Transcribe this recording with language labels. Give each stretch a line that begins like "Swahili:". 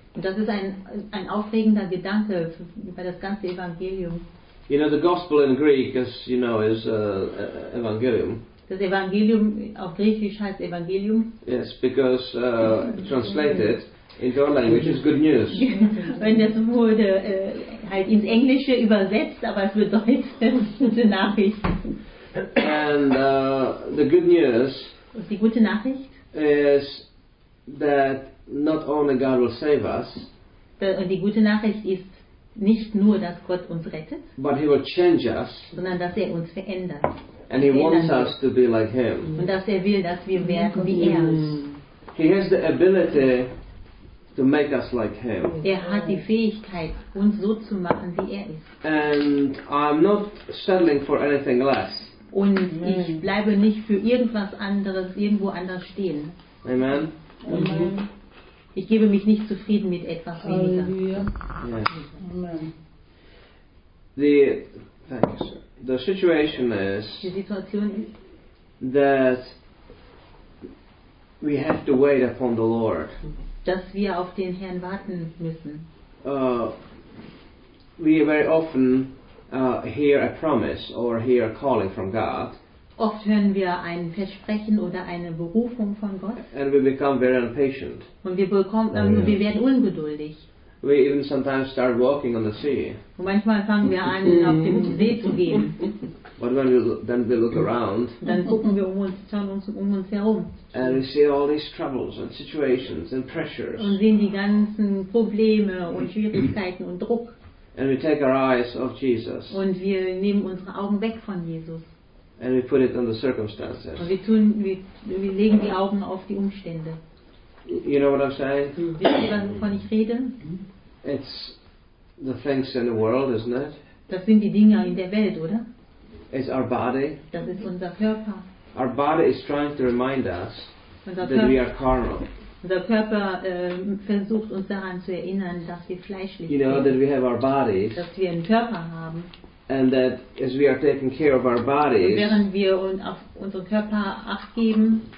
German: Das ist ein aufregender Gedanke über das ganze Evangelium.
English: You know, the gospel in Greek, as you know, is Evangelium.
German: Das Evangelium auf Griechisch heißt Evangelium.
English: Yes, because translated into our language is good news.
German: Wenn das wurde halt ins Englische übersetzt, aber es bedeutet gute Nachricht.
English: And the good news
German: die gute Nachricht
English: is that not only God will save us,
German: die gute Nachricht ist nicht nur, dass Gott uns rettet,
English: but he will change us,
German: sondern dass er uns verändert.
English: And he wants us to be like him.
German: Und dass er will, dass wir werden wie er.
English: He has the ability to make us like him.
German: Er hat die Fähigkeit, uns so zu machen, wie er ist.
English: And I'm not settling for anything less.
German: Und ich bleibe nicht für irgendwas anderes irgendwo anders stehen.
English: Amen. Amen.
German: Ich gebe mich nicht zufrieden mit etwas weniger.
English: Yes. Amen. The situation is,
German: die Situation ist,
English: that we have to wait upon the Lord.
German: Dass wir auf den Herrn warten müssen.
English: We very often hear a promise or hear a calling from God.
German: Oft hören wir ein Versprechen oder eine Berufung von Gott.
English: And we become very impatient.
German: Und wir werden ungeduldig.
English: We even sometimes start walking on the sea.
German: Und manchmal fangen wir an, auf dem See zu gehen.
English: But when we look around,
German: dann gucken wir um uns herum.
English: And we see all these troubles and situations and pressures.
German: Und sehen die ganzen Probleme und Schwierigkeiten und Druck.
English: And we take our eyes off Jesus.
German: Und wir nehmen unsere Augen weg von Jesus.
English: And we put it on the circumstances.
German: Und wir legen die Augen auf die Umstände.
English: You know what I'm saying?
German: Wisst ihr, wovon ich rede?
English: It's the things in the world, isn't it?
German: Das sind die Dinge in der Welt, oder?
English: It's our body.
German: Das ist unser Körper.
English: Our body is trying to remind us that we are carnal.
German: Unser Körper versucht uns daran zu erinnern, dass wir fleischlich sind.
English: You know, that we have our bodies,
German: dass wir einen Körper haben.
English: And that as we are taking care of our bodies,
German: und während wir auf unseren Körper Acht geben,